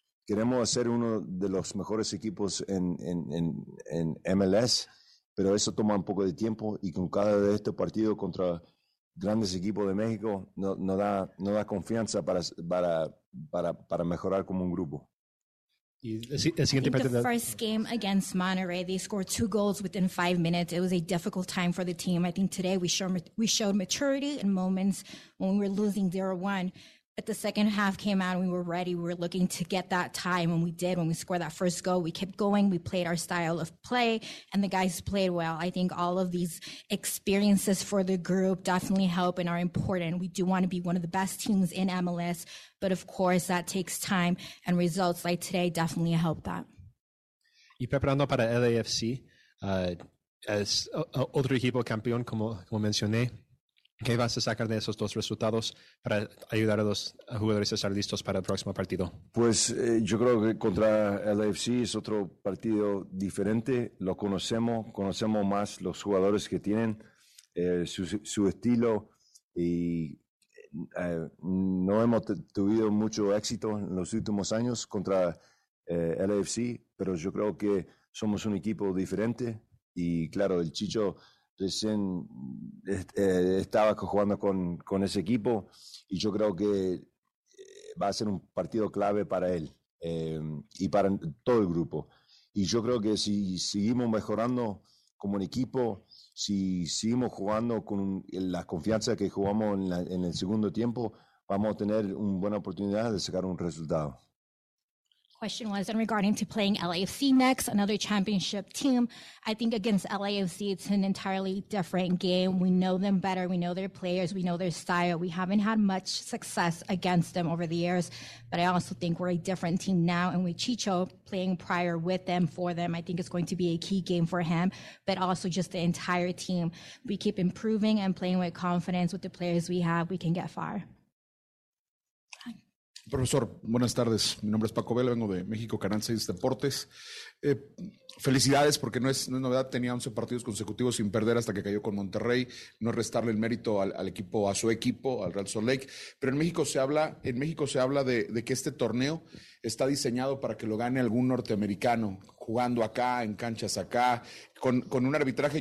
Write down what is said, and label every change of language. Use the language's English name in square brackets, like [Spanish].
[Spanish] Queremos ser uno de los mejores equipos en MLS, pero eso toma un poco de tiempo y con cada de estos partidos contra grandes equipos de México no da confianza para mejorar como un grupo. [English] The first game against Monterrey, they scored 2 goals within 5 minutes. It was a difficult time for the team. I think today we showed maturity in moments when we were losing 0-1. But the second half came out and we were ready. We were looking to get that tie. And we did. When we scored that first goal, we kept going. We played our style of play and the guys played well. I think all of these experiences for the group definitely help and are important. We do want to be one of the best teams in MLS. But of course, that takes time and results like today definitely help that. [Spanish] Y preparando para LAFC, as otro equipo campeón, como mencioné, ¿qué vas a sacar de esos dos resultados para ayudar a los jugadores a estar listos para el próximo partido? Pues yo creo que contra el AFC es otro partido diferente. Lo conocemos más los jugadores que tienen, su estilo. Y no hemos tenido mucho éxito en los últimos años contra el AFC, pero yo creo que somos un equipo diferente. Y claro, el Chicho recién estaba jugando con ese equipo y yo creo que va a ser un partido clave para él y para todo el grupo. Y yo creo que si seguimos mejorando como un equipo, si seguimos jugando con la confianza que jugamos en el segundo tiempo, vamos a tener una buena oportunidad de sacar un resultado. [English] Question was in regarding to playing LAFC next, another championship team. I think against LAFC, it's an entirely different game. We know them better. We know their players. We know their style. We haven't had much success against them over the years, but I also think we're a different team now. And with Chicho playing prior with them, for them, I think it's going to be a key game for him, but also just the entire team. We keep improving and playing with confidence with the players we have. We can get far. [Spanish] Profesor, buenas tardes. Mi nombre es Paco Vela, vengo de México, Canal 6 Deportes. Felicidades, porque no es novedad, tenía 11 partidos consecutivos sin perder hasta que cayó con Monterrey. No restarle el mérito a su equipo, al Real Salt Lake. Pero en México se habla de que este torneo está diseñado para que lo gane algún norteamericano, jugando acá, en canchas acá, con un arbitraje.